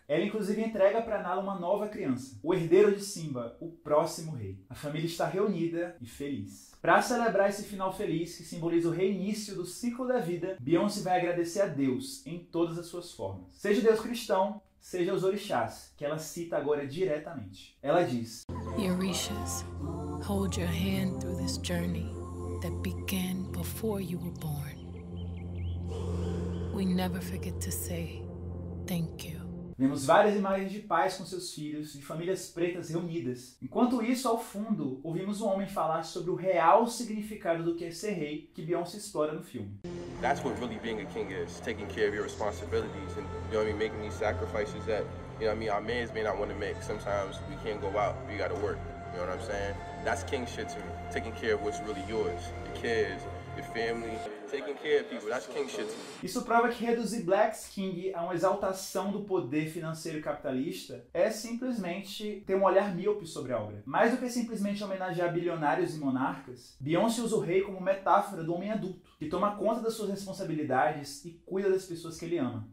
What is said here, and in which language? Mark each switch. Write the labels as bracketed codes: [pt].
[pt] Ela inclusive entrega para Nala uma nova criança, o herdeiro de Simba, o próximo rei. A família está reunida e feliz. Para celebrar esse final feliz, que simboliza o reinício do ciclo da vida, Beyoncé vai agradecer a Deus em todas as suas formas. Seja Deus cristão, seja os orixás, que ela cita agora diretamente. Ela diz: [en] Orishas, hold your hand through this journey that began before you were born. We never forget to say thank you. [pt] Vemos várias imagens de pais com seus filhos e famílias pretas reunidas. Enquanto isso, ao fundo, ouvimos um homem falar sobre o real significado do que é ser rei, que Beyoncé explora no filme. [en] That's what really being a king is, taking care of your responsibilities and, you know what I mean, making these sacrifices that You know what I mean? Our mans may not want to mix. Sometimes we can't go out, we gotta work. You know what I'm saying? That's king shit to me. Taking care of what's really yours. Your kids, your family. Taking care of people, that's king shit to me. [pt] Isso prova que reduzir Black's King a uma exaltação do poder financeiro capitalista é simplesmente ter um olhar míope sobre a obra. Mais do que simplesmente homenagear bilionários e monarcas, Beyoncé usa o rei como metáfora do homem adulto, que toma conta das suas responsabilidades e cuida das pessoas que ele ama.